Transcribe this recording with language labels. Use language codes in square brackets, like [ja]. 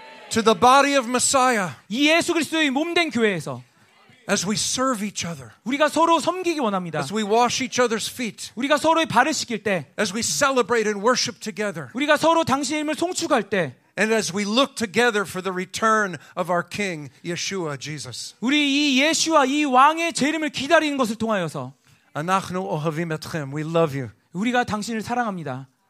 [en] To the body of Messiah. [ko] 이 예수 그리스도의 몸된 교회에서. [en] As we serve each other. [ko] 우리가 서로 섬기기 원합니다. [en] As we wash each other's feet. [ko] 우리가 서로의 발을 씻길 때. [en] As we celebrate and worship together. [ko] 우리가 서로 당신의 이름을 송축할 때. [en] And as we look together for the return of our King Yeshua Jesus. [ko] 우리 이 예수와 이 왕의 재림을 기다리는 것을 통하여서. [he] Anachnu ohavim etchem. [en] We love you. [ko] 우리가 당신을 사랑합니다.